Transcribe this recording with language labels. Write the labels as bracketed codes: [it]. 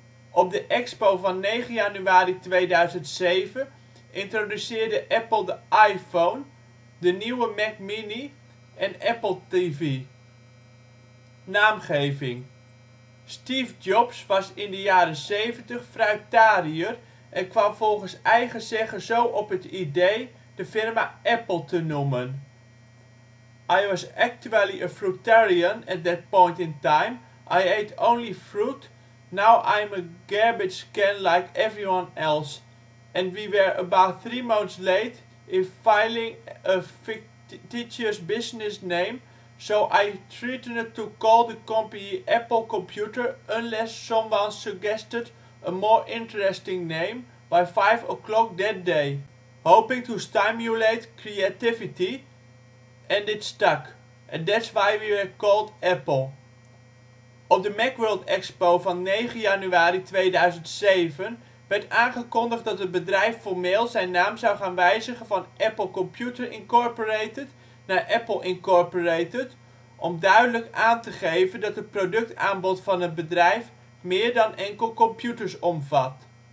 [nl] Op de expo van 9 januari 2007 introduceerde Apple de iPhone, de nieuwe Mac mini en Apple TV. Naamgeving: Steve Jobs was in de jaren 70 fruitariër en kwam volgens eigen zeggen zo op het idee de firma Apple te noemen. [en] " "I was actually a fruitarian at that point in time, I ate only fruit, now I'm a garbage can like everyone else, and we were about 3 months late in filing a fictitious business name, so I threatened to call the company Apple Computer unless someone suggested a more interesting name by 5 o'clock that day, hoping to stimulate creativity, and it stuck, and that's why we were called Apple." [nl] Op de Macworld Expo van 9 januari 2007 werd aangekondigd dat het bedrijf formeel zijn naam zou gaan wijzigen van Apple Computer Incorporated naar Apple Incorporated, om duidelijk aan te geven dat het productaanbod van het bedrijf meer dan enkel computers omvat.